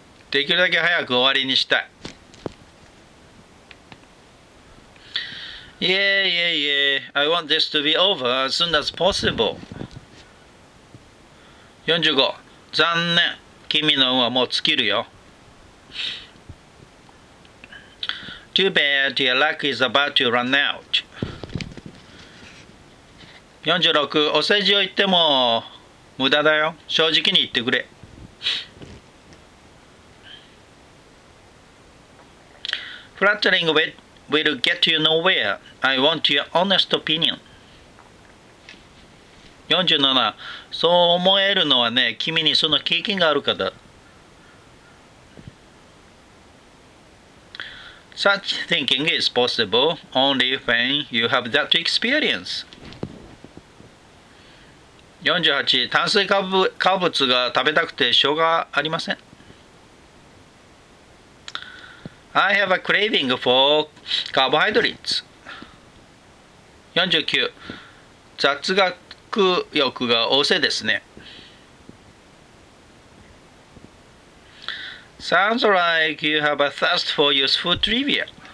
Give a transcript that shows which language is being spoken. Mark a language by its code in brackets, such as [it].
[ja] できるだけ早く終わりにしたい。 [en] Yeah, yeah, yeah. I want this to be over as soon as possible. [ja] 45. 残念。君の運はもう尽きるよ。 [en] Too bad your luck is about to run out. 46. [ja] お世辞を言っても無駄だよ。正直に言ってくれ。 [en] Flattering will get you nowhere. I want your honest opinion. 47. [ja] そう思えるのはね、君にその経験があるからだ。 [en] Such thinking is possible only when you have that experience. 48. [ja] 炭水化物が食べたくてしょうがありません。 [en] I have a craving for carbohydrates. 49. [ja] 雑学食欲が旺盛ですね。 [en] Sounds like you have a thirst for useful trivia.